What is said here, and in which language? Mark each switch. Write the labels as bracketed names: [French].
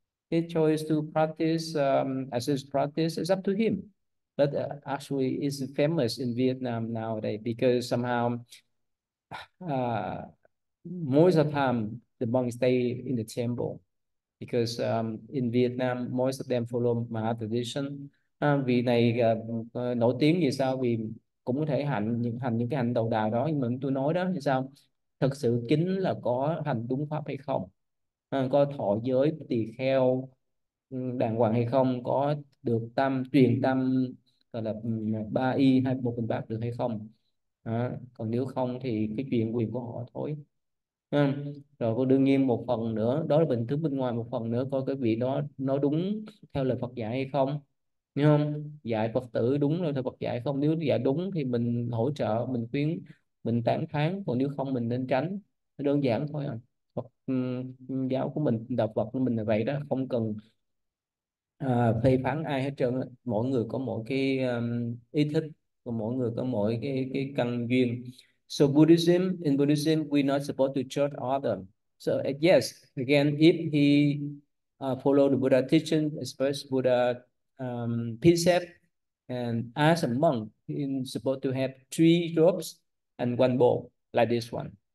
[English] His choice to practice as his practice is up to him. But actually is famous in Vietnam nowadays because somehow most of the time the monks stay in the temple because in Vietnam most of them follow Maha tradition. [Vietnamese] Vì này nổi tiếng vì sao, vì cũng có thể hành những cái hành đầu đà đó, nhưng mà tôi nói đó thì sao, thực sự chính là có hành đúng pháp hay không, có thọ giới tỳ kheo đàng hoàng hay không, có được tâm truyền tâm gọi là ba y hay một mình bát được hay không. Đó. Còn nếu không thì cái chuyện quyền của họ thôi. Rồi có đương nhiên một phần nữa đó là bình thường bên ngoài, một phần nữa coi cái vị đó nó đúng theo lời Phật dạy hay không, đúng không, dạy Phật tử đúng rồi theo Phật dạy không, nếu dạy đúng thì mình hỗ trợ, mình khuyến, mình tán thán, còn nếu không mình nên tránh, đơn giản thôi à. Phật giáo của mình, đạo Phật của mình là vậy đó, không cần phê phán ai hết trơn, mỗi người có mỗi cái ý thích, và mỗi người có mỗi cái căn duyên. [English] So Buddhism, in Buddhism we're not supposed to judge others. So yes, again if he follow the Buddha teaching, express Buddha precept, and as a monk he's supposed to have three robes and one bowl like this one.